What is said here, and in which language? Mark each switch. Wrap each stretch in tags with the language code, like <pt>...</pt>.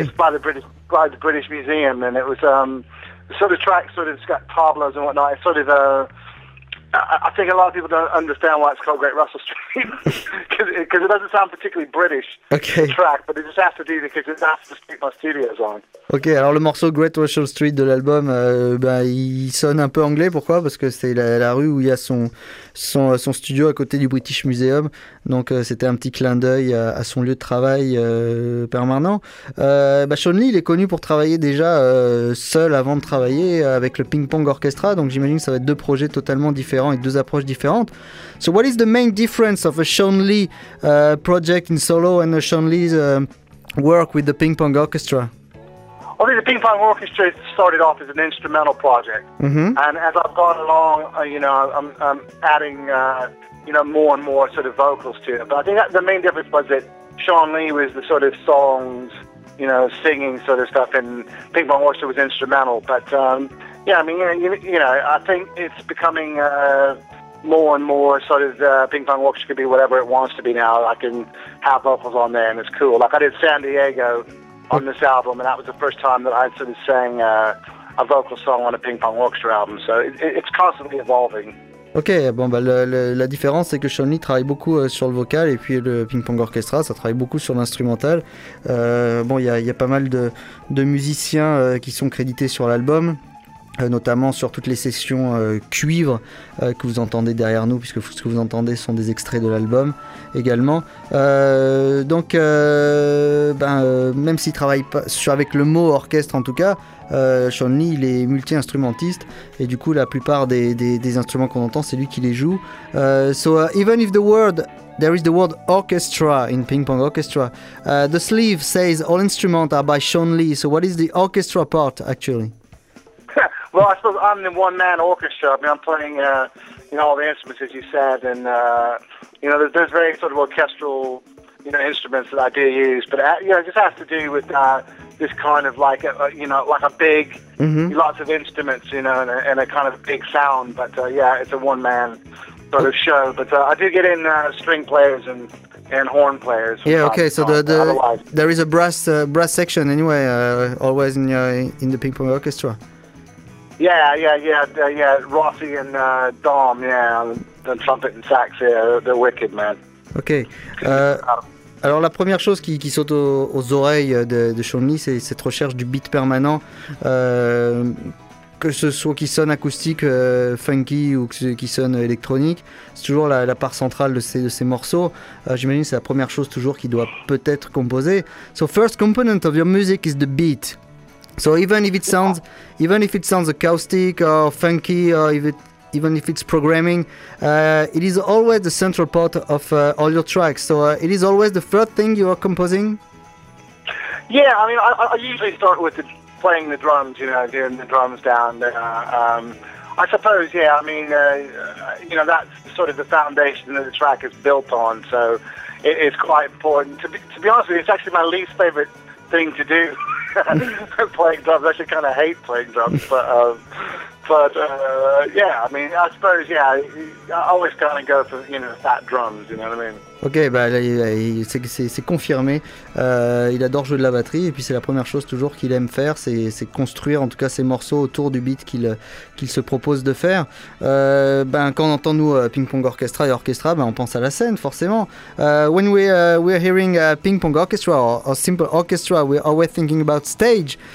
<en>It's by the British Museum, and it was sort of track, sort of it's got tablas and whatnot. It's sort of I think a lot of people don't understand why it's called Great Russell Street, because it doesn't sound particularly British. Okay. Track, but it just has to do because it's after the street my studio's on.</en> <fr>Okay, alors le morceau Great Russell Street de l'album, il sonne un peu anglais. Pourquoi? Parce que c'est la rue où il y a son studio à côté du British Museum. Donc c'était un petit clin d'œil à son lieu de travail permanent. Sean Lee, il est connu pour travailler déjà seul avant de travailler avec le Ping Pong Orchestra. Donc j'imagine que ça va être deux projets totalement différents avec deux approches différentes.</fr> <en>So what is the main difference of a Sean Lee project in solo and a Sean Lee's work with the Ping Pong Orchestra? Well, the Ping Pong Orchestra started off as an instrumental project, mm-hmm. and as I've gone along, I'm adding, more and more sort of vocals to it. But I think that the main difference was that Sean Lee was the sort of songs, singing sort of stuff, and Ping Pong Orchestra was instrumental. But I think it's becoming more and more sort of Ping Pong Orchestra could be whatever it wants to be now. I can have vocals on there, and it's cool. Like I did San Diego. On this album, and that was the first time that I sort of sang a vocal song on a Ping Pong Orchestra album, so it's constantly evolving.</en> <fr>Ok, bon bah la différence c'est que Sean Lee travaille beaucoup sur le vocal et puis le Ping Pong Orchestra ça travaille beaucoup sur l'instrumental. Bon, il y a pas mal de musiciens qui sont crédités sur l'album, notamment sur toutes les sessions cuivre que vous entendez derrière nous, puisque ce que vous entendez sont des extraits de l'album également. Même s'il travaille pas avec le mot orchestre, en tout cas, Sean Lee, il est multi-instrumentiste, et du coup la plupart des instruments qu'on entend, c'est lui qui les joue.</fr> <en>Even if the word there is the word orchestra in Ping Pong Orchestra, the sleeve says all instruments are by Sean Lee, so what is the orchestra part actually? Well, I suppose I'm the one-man orchestra. I mean, I'm playing, all the instruments, as you said, and, there's very sort of orchestral, instruments that I do use. But, it just has to do with this kind of like, a big, mm-hmm. lots of instruments, and a kind of big sound. But, it's a one-man sort of show. But I do get in string players and horn players. Yeah, okay, so there is a brass section anyway, always in the Ping Pong Orchestra. Yeah, Rossi and Dom, the trumpet and sax, they're wicked, man. Okay.</en> <fr>Alors la première chose qui saute aux oreilles de Sean Lee, c'est cette recherche du beat permanent, que ce soit qui sonne acoustique, funky, ou qui sonne électronique, c'est toujours la part centrale de ces morceaux. J'imagine que c'est la première chose toujours qui doit peut-être composer.</fr> <en>So first component of your music is the beat. So even if it sounds acoustic or funky, or even if it's programming, it is always the central part of all your tracks. So it is always the first thing you are composing. Yeah, I mean, I usually start with playing the drums, doing the drums down. I suppose, yeah. I mean, that's sort of the foundation that the track is built on. So it's quite important. To be honest with you, it's actually my least favorite thing to do. Playing drums. I actually kind of hate playing drums, I always kind of go for fat drums. You know what I mean?</en> <fr>Ok, c'est confirmé. Il adore jouer de la batterie, et puis c'est la première chose toujours qu'il aime faire, c'est construire en tout cas ses morceaux autour du beat qu'il se propose de faire. Quand on entend nous Ping Pong Orchestra et Orchestra, on pense à la scène forcément.</fr> <en>When we're hearing Ping Pong Orchestra or simple orchestra, we're always thinking about stage.</en>